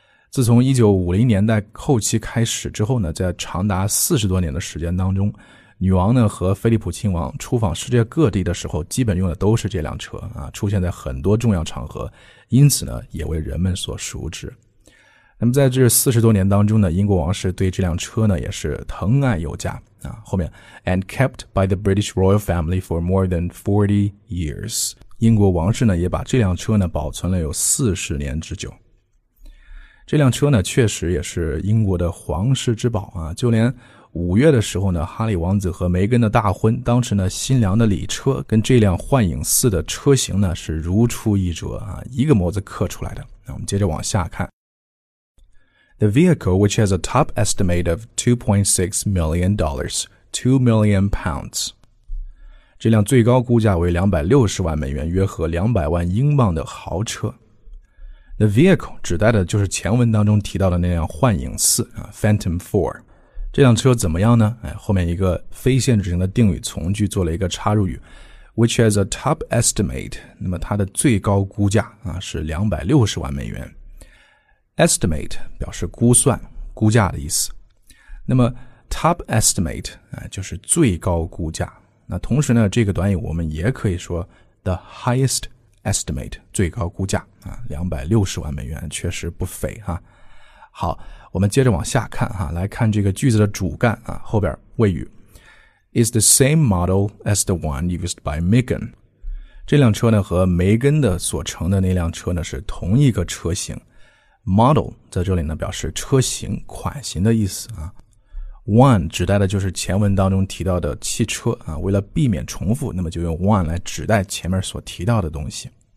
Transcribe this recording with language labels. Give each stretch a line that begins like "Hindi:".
Chinese: 自从1950年代后期开始之后呢在长达40多年的时间当中，女王呢和菲利普亲王出访世界各地的时候基本用的都是这辆车啊，出现在很多重要场合，因此呢也为人们所熟知。那么在这40多年当中呢，英国王室对这辆车呢也是疼爱有加啊。后面
English: And kept by the British Royal Family for more than 40 years。
Chinese: 英国王室呢也把这辆车呢保存了有40年之久。这辆车呢确实也是英国的皇室之宝啊，就连五月的时候呢，哈利王子和梅根的大婚，当时呢新娘的礼车跟这辆幻影四的车型呢是如出一辙啊，一个模子刻出来的。那我们接着往下看。
English: The vehicle, which has a top estimate of $2.6 million, £2 million.
Chinese: 这辆最高估价为260万美元，约合200万英镑的豪车。
English: The vehicle
Chinese: 指代的就是前文当中提到的那辆幻影四啊 ,Phantom Four。这辆车怎么样呢？哎，后面一个非限制型的定语从句做了一个插入语 ,
English: which has a top estimate,
Chinese: 那么它的最高估价啊是260万美元。 estimate 表示估算估价的意思。那么 top estimate 就是最高估价。那同时呢这个短语我们也可以说
English: the highest estimate,
Chinese: 最高估价啊 ,260 万美元确实不菲啊。好，我们接着往下看啊，来看这个句子的主干啊，后边谓语。
English: is the same model as the one used by Megan.
Chinese: 这辆车呢和梅根的所乘的那辆车呢是同一个车型。 model 在这里呢表示车型款型的意思啊。 one 指代的就是前文当中提到的汽车啊，为了避免重复，那么就用 one 来指代前面所提到的东西。